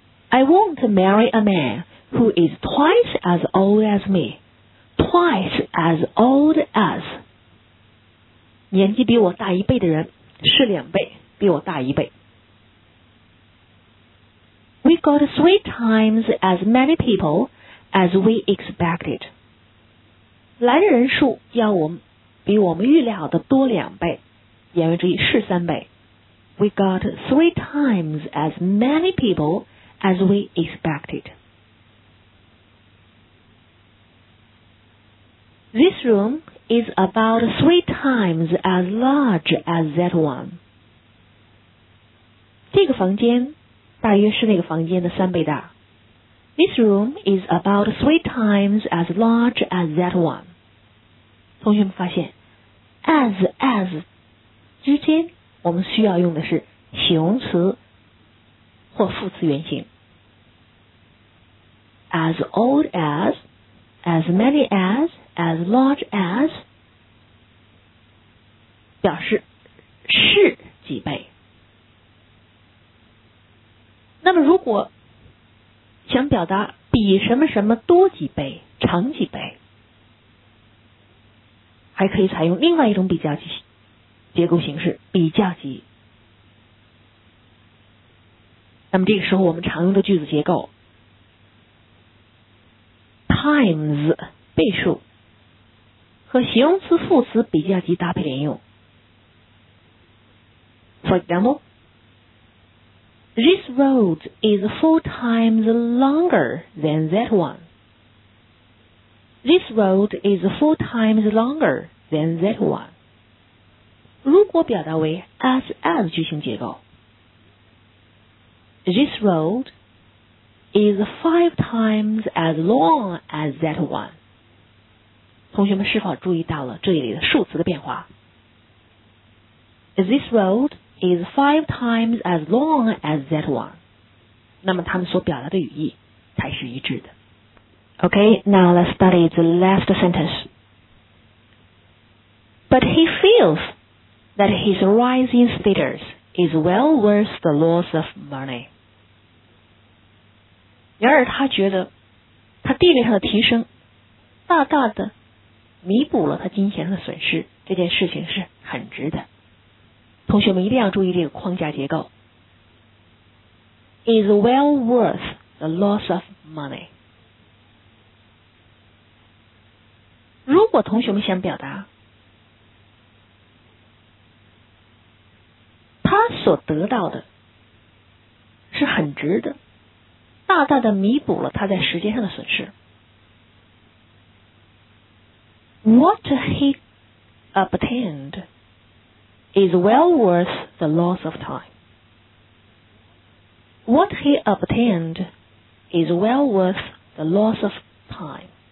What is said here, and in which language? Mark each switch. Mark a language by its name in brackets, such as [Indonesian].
[English] I want to marry a man who is twice as old as me. Twice as old as. [Chinese] 年纪比我大一倍的人是两倍比我大一倍。 [English] We got three times as many people as we expected. [Chinese] 来的人数要我们比我们预料的多两倍，言外之意是三倍。 [English] We got three times as many people as we expected. This room is about three times as large as that one. [Chinese] 这个房间大约是那个房间的三倍大。 [English] This room is about three times as large as that one. [Chinese] 同学们发现as 之间我们需要用的是形容词或副词原形。 [English] As old as many as large as 表示是几倍。 [Chinese] 那么如果想表达比什么什么多几倍，长几倍，还可以采用另外一种比较级结构形式，比较级。那么这个时候我们常用的句子结构 times 倍数和形容词副词比较级搭配连用。 [English] For example, This road is four times longer than that one. This road is four times longerthan that one. 如果表达为 as 句型结构， This road is five times as long as that one. [Chinese] 同学们是否注意到了这里的数词的变化？ [English] This road is five times as long as that one. [Chinese] 那么他们所表达的语义才是一致的。 [English] OK, now let's study the last sentenceBut he feels that his rising status is well worth the loss of money. [Chinese] 然而他觉得他地位上的提升大大的弥补了他金钱的损失，这件事情是很值得。同学们一定要注意这个框架结构。 [English] Is well worth the loss of money. [Chinese] 如果同学们想表达他所得到的是很值的，大大的弥补了他在时间上的损失。 [English] What he obtained is well worth the loss of time. What he obtained is well worth the loss of time.